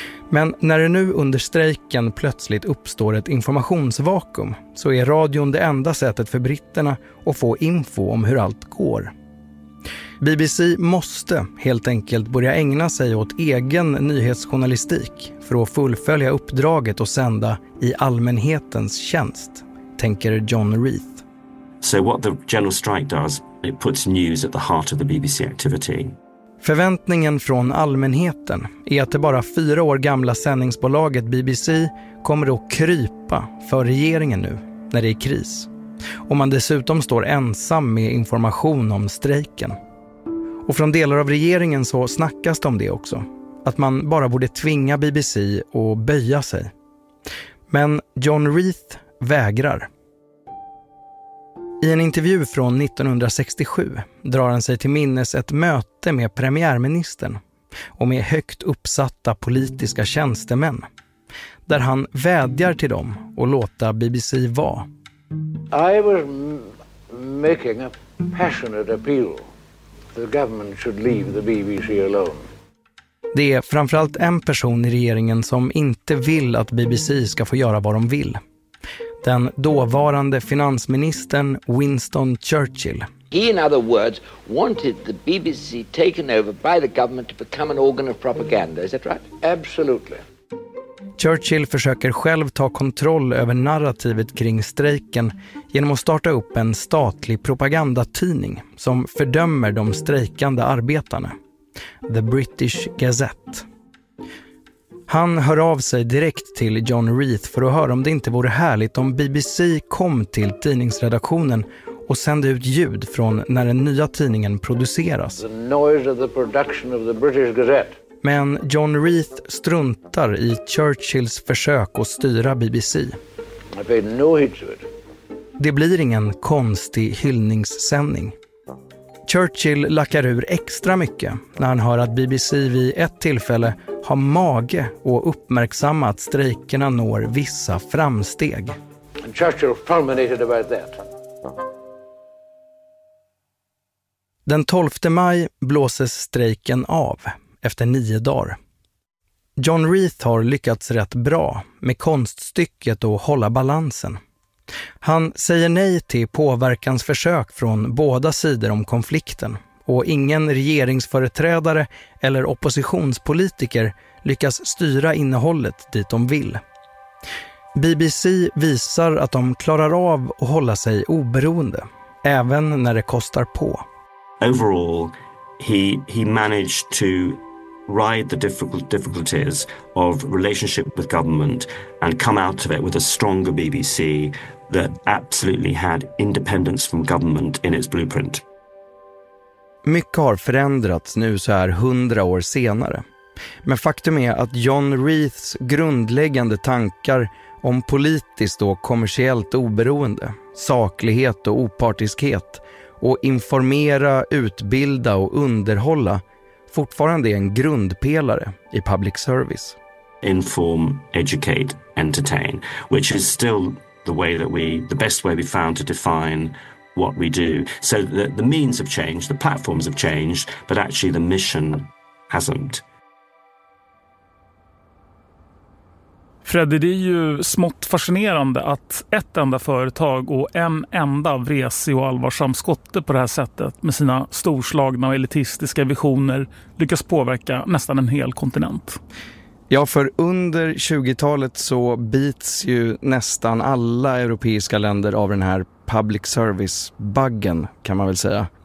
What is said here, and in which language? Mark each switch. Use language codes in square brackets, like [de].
[sv] Men när det nu under strejken plötsligt uppstår ett informationsvakuum så är radion det enda sättet för britterna att få info om hur allt går. BBC måste helt enkelt börja ägna sig åt egen nyhetsjournalistik för att fullfölja uppdraget och sända i allmänhetens tjänst, tänker John Reith. [en] So what the general strike does, it puts news at the heart of the BBC activity. [sv] Förväntningen från allmänheten är att det bara 4 år gamla sändningsbolaget BBC kommer att krypa för regeringen nu när det är kris. Och man dessutom står ensam med information om strejken. Och från delar av regeringen så snackas det om det också. Att man bara borde tvinga BBC att böja sig. Men John Reith vägrar. I en intervju från 1967 drar han sig till minnes ett möte med premiärministern och med högt uppsatta politiska tjänstemän där han vädjar till dem att låta BBC vara. [en] I was making a passionate appeal that the government should leave the BBC alone. [sv] Det är framförallt en person i regeringen som inte vill att BBC ska få göra vad de vill. Den dåvarande finansministern Winston Churchill. [en] He, in other words, wanted the BBC taken over by the government to become an organ of propaganda, is that right? Absolutely. [sv] Churchill försöker själv ta kontroll över narrativet kring strejken genom att starta upp en statlig propagandatidning som fördömer de strejkande arbetarna. The British Gazette. Han hör av sig direkt till John Reith för att höra om det inte vore härligt om BBC kom till tidningsredaktionen och sände ut ljud från när den nya tidningen produceras. [en] The noise of the production of the British Gazette. [sv] Men John Reith struntar i Churchills försök att styra BBC. [en] I paid no heed to it. [sv] Det blir ingen konstig hyllningssändning. Churchill lackar ur extra mycket när han hör att BBC vid ett tillfälle har mage och uppmärksamma att strejkerna når vissa framsteg. [en] Churchill fulminated about that. [sv] Den 12 maj blåses strejken av efter 9 dagar. John Reith har lyckats rätt bra med konststycket och hålla balansen. Han säger nej till påverkansförsök från båda sidor om konflikten och ingen regeringsföreträdare eller oppositionspolitiker lyckas styra innehållet dit de vill. BBC visar att de klarar av att hålla sig oberoende, även när det kostar på. [en] Overall, he managed to ride the difficulties of relationship with government and come out of it with a stronger BBC that absolutely had independence from government in its blueprint. [sv] Mycket har förändrats nu så här 100 år senare. Men faktum är att John Reiths grundläggande tankar om politiskt och kommersiellt oberoende, saklighet och opartiskhet, och informera, utbilda och underhålla fortfarande är en grundpelare i public service. [en] Inform, educate, entertain, which is still the best way we found to define what we do. So the means have changed, the platforms have changed, but actually the mission hasn't. [sv] Freddy, det är ju smått fascinerande att ett enda företag och en enda vresig och allvarsam skotte på det här sättet med sina storslagna och elitistiska visioner lyckas påverka nästan en hel kontinent. Ja, för under 20-talet så bits ju nästan alla europeiska länder av den här public service-buggen, kan man väl säga.